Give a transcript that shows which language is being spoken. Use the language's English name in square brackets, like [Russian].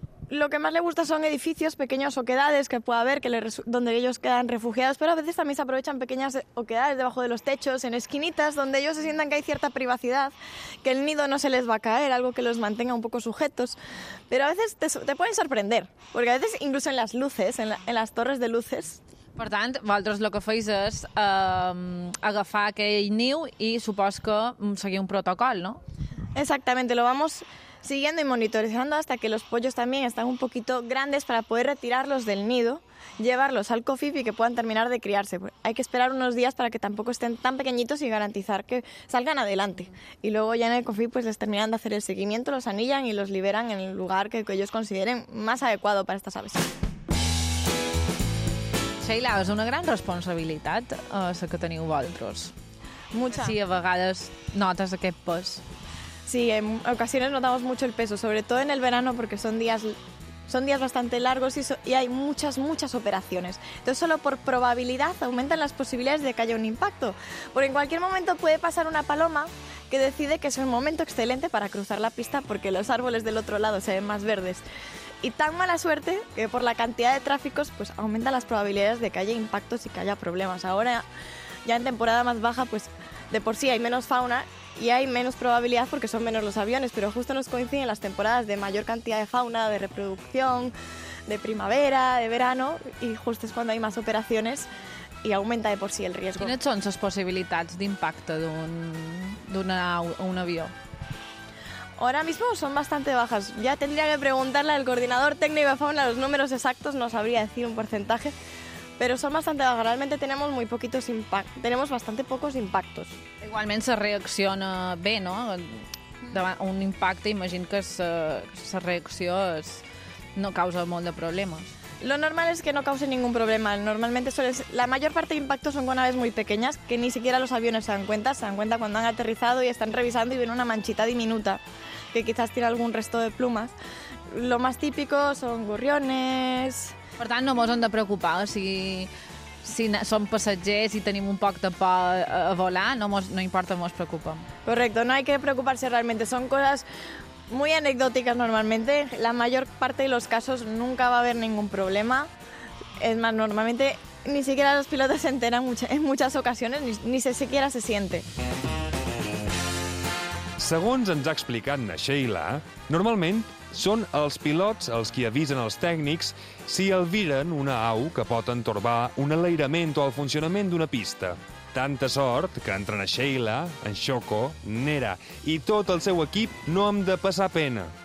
[Spanish] Lo que más le gusta son edificios, pequeñas oquedades que pueda haber, donde ellos quedan refugiados, pero a veces también se aprovechan pequeñas oquedades debajo de los techos, en esquinitas, donde ellos se sientan que hay cierta privacidad, que el nido no se les va a caer, algo que los mantenga un poco sujetos. Pero a veces te pueden sorprender, porque a veces incluso en las luces, en las torres de luces. [Catalan] Per tant, vosaltres el que feis és agafar aquell niu i supos que seguir un protocol, no? [Spanish] Exactamente, lo vamos siguiendo y monitorizando hasta que los pollos también están un poquito grandes para poder retirarlos del nido, llevarlos al COFIP y que puedan terminar de criarse. Hay que esperar unos días para que tampoco estén tan pequeñitos y garantizar que salgan adelante. Y luego ya en el COFIP pues les terminan de hacer el seguimiento, los anillan y los liberan en el lugar que ellos consideren más adecuado para estas aves. [Catalan] Sheila, és una gran responsabilitat la que teniu vosaltres. [Spanish] Mucha. [Catalan] Si a vegades notes aquest pes. [Spanish] Sí, en ocasiones notamos mucho el peso, sobre todo en el verano porque son días bastante largos y hay muchas, muchas operaciones. Entonces solo por probabilidad aumentan las posibilidades de que haya un impacto, porque en cualquier momento puede pasar una paloma que decide que es un momento excelente para cruzar la pista porque los árboles del otro lado se ven más verdes. Y tan mala suerte que por la cantidad de tráficos pues aumentan las probabilidades de que haya impactos y que haya problemas. Ahora ya en temporada más baja pues de por sí hay menos fauna y hay menos probabilidad porque son menos los aviones, pero justo nos coinciden las temporadas de mayor cantidad de fauna, de reproducción, de primavera, de verano, y justo es cuando hay más operaciones y aumenta de por sí el riesgo. [Catalan] ¿Quines són les possibilitats d'impacte d'un avió? [Spanish] Ahora mismo son bastante bajas. Ya tendría que preguntarle al coordinador técnico de fauna los números exactos, no sabría decir un porcentaje, pero son bastante bajas. Realmente tenemos muy poquitos impactos, tenemos bastante pocos impactos. [Catalan] Igualment se reacciona bé, no? Davant un impacte, imagino que la reacció no causa molt de problemes. [Spanish] Lo normal es que no cause ningún problema. Normalmente la mayor parte de impactos son con aves muy pequeñas que ni siquiera los aviones se dan cuenta cuando han aterrizado y están revisando y ven una manchita diminuta que quizás tiene algún resto de plumas. Lo más típico son gorriones. [Catalan] Per tant, no mos hem de preocupar. Si som passatgers i tenim un poc de por a volar, no importa, mos preocupem. [Spanish] Correcto, no hay que preocuparse realmente. Son cosas muy anecdóticas normalmente. La mayor parte de los casos nunca va a haber ningún problema. Es más, normalmente ni siquiera los pilotos se enteran en muchas ocasiones, ni siquiera se siente. [Catalan] Segons ens ha explicat na Sheila, normalment són els pilots els qui avisen els tècnics si albiren una au que pot entorbar un enlairament o el funcionament d'una pista. Tanta sort que entren a Sheila, en Xoco, Nera i tot el seu equip no hem de passar pena.